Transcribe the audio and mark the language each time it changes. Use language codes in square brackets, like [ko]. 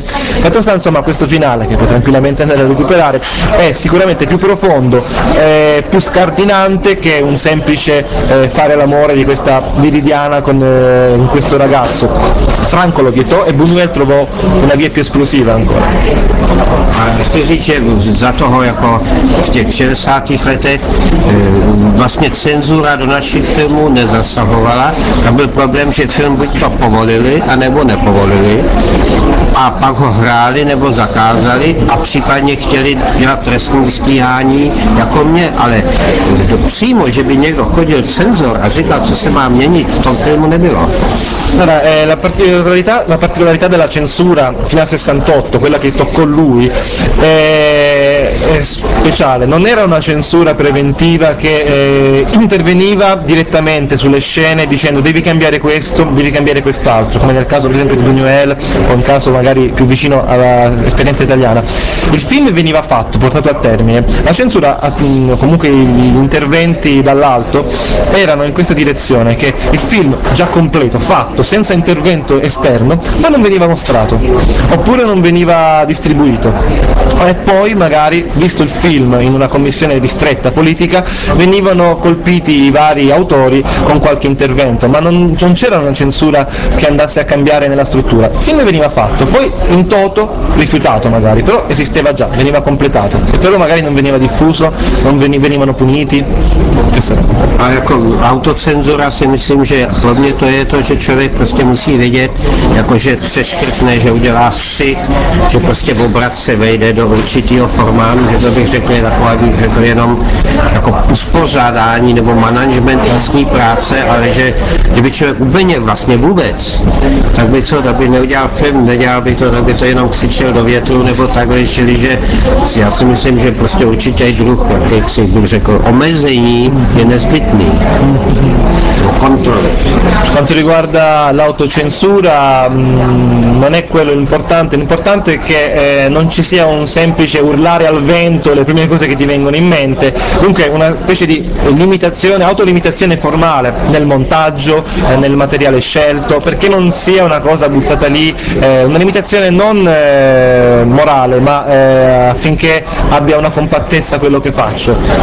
[it] Fatto sta, insomma, questo finale, che puoi tranquillamente andare a recuperare, è sicuramente più profondo, più scardinante che un semplice fare l'amore di questa Viridiana con questo ragazzo. Franco lo vietò e Buñuel trovò una via più esplosiva ancora. [cs] Chci říct, že za toho jako v těch 60. letech vlastně cenzura do našich filmů nezasahovala. Tam byl problém, že film buď to povolili, anebo nepovolili. A pak ho hráli nebo zakázali a případně chtěli dělat trestní stíhání jako mě. Ale přímo, že by někdo chodil cenzor a říkal, co se má měnit, v tom filmu nebylo. [it] Allora, la particolarità della censura fino al 68, quella che toccò lui, è speciale. Non era una censura preventiva che interveniva direttamente sulle scene dicendo devi cambiare questo, devi cambiare quest'altro, come nel caso per esempio di Buñuel, o un caso magari più vicino all'esperienza italiana. Il film veniva fatto, portato a termine. La censura, comunque gli interventi dall'alto, erano in questa direzione, che il film già completo, fatto, senza intervento esterno, ma non veniva mostrato, oppure non veniva distribuito. E poi magari, visto il film in una commissione ristretta politica, venivano colpiti i vari autori con qualche intervento, ma non c'era una censura che andasse a cambiare nella struttura. Il film veniva fatto, poi in toto rifiutato magari, però esisteva già, veniva completato, e però magari non veniva diffuso, non venivano puniti. [cs] A jako autocenzura si myslím, že hlavně to je to, že člověk prostě musí vědět, jako že přeškrtne, že udělá střih, že prostě obrat se vejde do určitého formátu, že to bych řekl, je taková, bych řekl, jenom jako uspořádání nebo management vlastní práce, ale že kdyby člověk úplně vlastně vůbec, tak by co, aby neudělal film, nedělal by to, tak by to jenom křičel do větru nebo takhle, čili že já si myslím, že prostě určitě druh, jak si bych řekl, omezení è nesbitni [it] quanto riguarda l'autocensura non è quello l'importante, l'importante è che non ci sia un semplice urlare al vento le prime cose che ti vengono in mente, dunque una specie di limitazione, autolimitazione formale nel montaggio, nel materiale scelto, perché non sia una cosa buttata lì, una limitazione non morale, ma affinché abbia una compattezza quello che faccio.